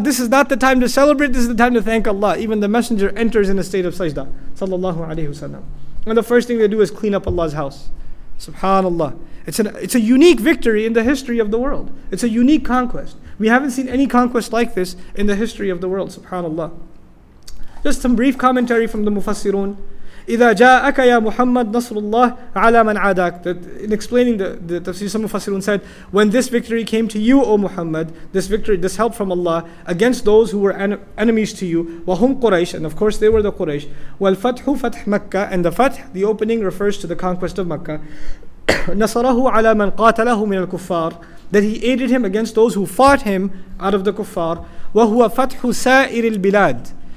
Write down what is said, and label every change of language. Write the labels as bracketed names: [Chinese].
[English] This is not the time to celebrate, this is the time to thank Allah. Even the messenger enters in a state of sajda, sallallahu alayhi wa sallam. And the first thing they do is clean up Allah's house. Subhanallah. It's a unique victory in the history of the world. It's a unique conquest. We haven't seen any conquest like this in the history of the world. Subhanallah. Just some brief commentary from the Mufassirun. [Arabic] إذا جاءك يا محمد نصر الله على من عاداك. [English] In explaining the Tafsir, some Mufassirun said, when this victory came to you, O Muhammad, this victory, this help from Allah, against those who were enemies to you, [Arabic] وهم قريش, [English] and of course they were the Quraysh, [Arabic] والفتح فتح مكة, [English] and the fatḥ, the opening, refers to the conquest of Mecca, [Arabic] نصره على من قاتله من الكفار, [English] that he aided him against those who fought him out of the kuffar, [Arabic] وهو فتح سائر البلاد.